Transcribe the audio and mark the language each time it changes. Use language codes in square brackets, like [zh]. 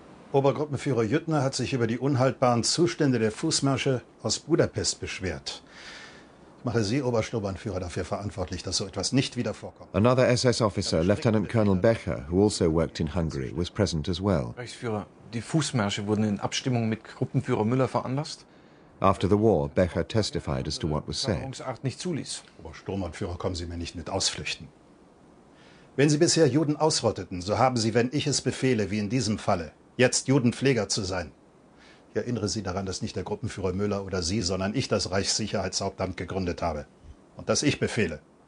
[de] Obergruppenführer Jüttner hat sich über die unhaltbaren Zustände der Fußmärsche aus Budapest beschwert. Ich mache Sie, Obersturmbannführer, dafür verantwortlich, dass so etwas nicht wieder vorkommt. [en] Another SS officer, Lieutenant Colonel Becher, who also worked in Hungary, was present as well. [de] Reichsführer, die Fußmärsche wurden in Abstimmung mit Gruppenführer Müller veranlasst. [en] After the war, Becher testified as to what was said. [de] Verhungsart nicht zuließ. Obersturmbannführer, kommen Sie mir nicht mit Ausflüchten. Wenn Sie bisher Juden ausrotteten, so haben Sie, wenn ich es befehle, wie in diesem Falle, jetzt Judenpfleger zu sein. Ich erinnere Sie daran, dass nicht der Gruppenführer Müller oder Sie, sondern ich das Reichssicherheitshauptamt gegründet habe. Und dass ich befehle.